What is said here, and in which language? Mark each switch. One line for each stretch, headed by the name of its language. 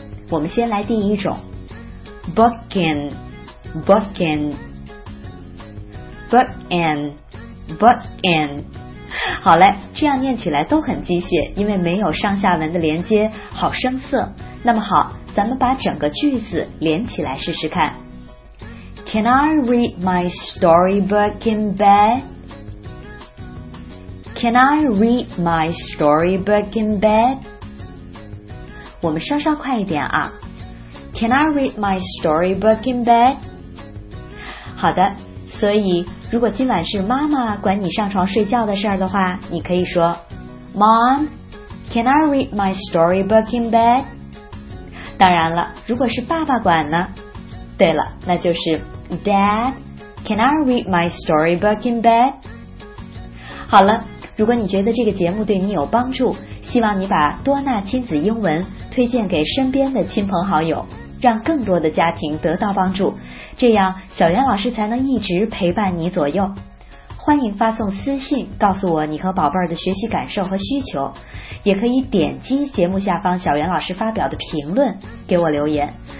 Chinese: 我们先来第一种 book in 好嘞，这样念起来都很机械，因为没有上下文的连接，好生涩。那么好，咱们把整个句子连起来试试看。
English: Can I read my storybook in bed? Can I read my storybook in bed?
Chinese: 我们稍稍快一点啊。
English: Can I read my storybook in bed?
Chinese: 好的，所以如果今晚是妈妈管你上床睡觉的事儿的话，你可以说
English: Mom, can I read my storybook in bed?
Chinese: 当然了，如果是爸爸管呢？对了，那就是
English: Dad, can I read my storybook in bed?
Chinese: 好了，如果你觉得这个节目对你有帮助，希望你把多纳亲子英文推荐给身边的亲朋好友，让更多的家庭得到帮助，这样小袁老师才能一直陪伴你左右。欢迎发送私信告诉我你和宝贝儿的学习感受和需求，也可以点击节目下方小袁老师发表的评论给我留言。